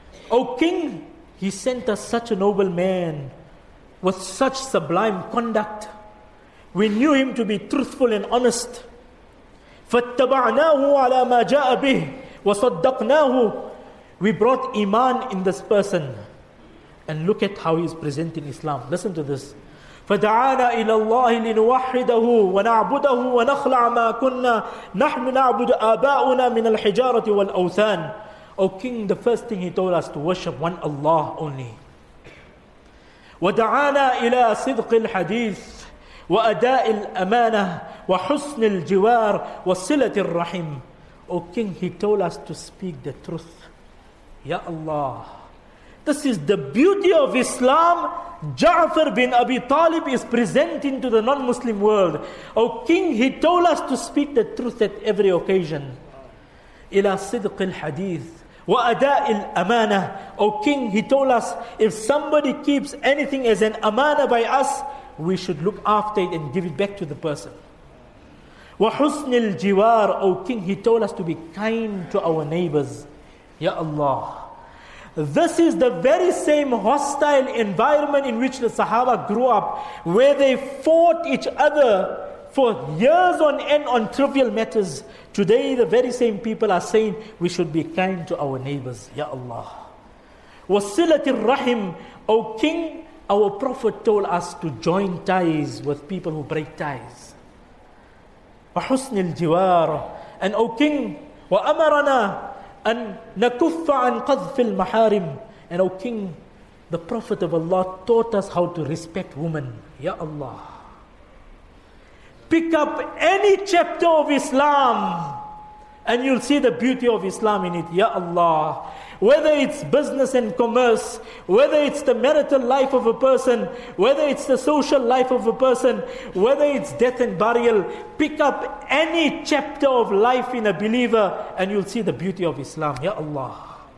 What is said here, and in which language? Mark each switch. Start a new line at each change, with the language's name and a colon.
English: O king, he sent us such a noble man with such sublime conduct. We knew him to be truthful and honest.
Arabic: فَاتَّبَعْنَاهُ عَلَى مَا جَاءَ بِهِ وَصَدَّقْنَاهُ.
English: We brought iman in this person. And look at how he is presenting Islam. Listen to this.
Arabic: فَدَعَانَا إِلَى اللَّهِ لِنُوَحِّدَهُ وَنَعْبُدَهُ وَنَخْلَعَ مَا كُنَّا نَحْنُ نَعْبُدُ آبَاؤُنَا مِنَ الْحِجَارَةِ وَالْأَوْثَانِ.
English: O king, the first thing he told us to worship one Allah only.
Arabic: وَدَعَانَا إِلَى صِدْقِ الْحَدِيثِ وأداء الأمانة وحسن الجوار وصلة الرحم.
English: O king, he told us to speak the truth. Ya Allah, this is the beauty of Islam. Ja'far bin Abi Talib is presenting to the non-Muslim world. O king, he told us to speak the truth at every occasion.
Arabic: إلى صدق الحديث وأداء الأمانة.
English: O king, he told us, if somebody keeps anything as an amana by us, we should look after it and give it back to the person.
Arabic: وَحُسْنِ الْجِوَارِ.
English: O king, he told us to be kind to our neighbors. Ya Allah. This is the very same hostile environment in which the Sahaba grew up, where they fought each other for years on end on trivial matters. Today, the very same people are saying, we should be kind to our neighbors.
Arabic: Ya Allah. وَصِلَةِ الرَّحِمِ.
English: O king, our Prophet told us to join ties with people who break ties.
Arabic: وَحُسْنِ الْجِوَارِ.
English: And O king,
Arabic: وَأَمَرَنَا أَن نَكُفَّ عَنْ قَذْفِ الْمَحَارِمِ.
English: And O king, the Prophet of Allah taught us how to respect women. Ya Allah. Pick up any chapter of Islam and you'll see the beauty of Islam in it. Ya Allah. Whether it's business and commerce, whether it's the marital life of a person, whether it's the social life of a person, whether it's death and burial, pick up any chapter of life in a believer and you'll see the beauty of Islam. Ya Allah.